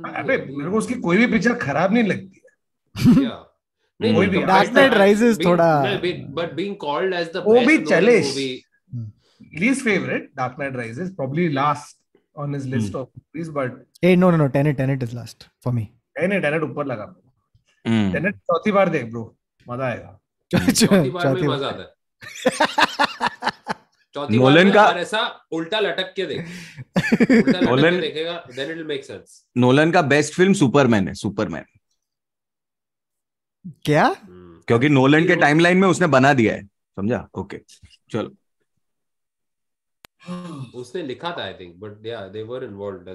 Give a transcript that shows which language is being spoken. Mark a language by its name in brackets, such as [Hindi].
[Hindi] the मेरे को उसकी कोई भी पिक्चर खराब नहीं लगती. [English] Yeah. [Hindi] Dark Knight Rises थोड़ा. [English] But being called as the best Nolan movie. Least favorite, Dark Knight Rises, probably last on his list of movies. But hey, no. Tenet is last for me. [Hindi] Tenet ऊपर लगा. Tenet चौथी बार देख bro. मजा आएगा. चौथी बार में मजा आता है. Nolan का ऐसा उल्टा लटक के देख Nolan देखेगा [English] then it'll make sense. [Hindi] Nolan का best film Superman है. क्या? क्योंकि Nolan के timeline में उसने बना दिया है, समझा? Okay, चलो. उसने लिखा था [English] I think, but yeah they were involved.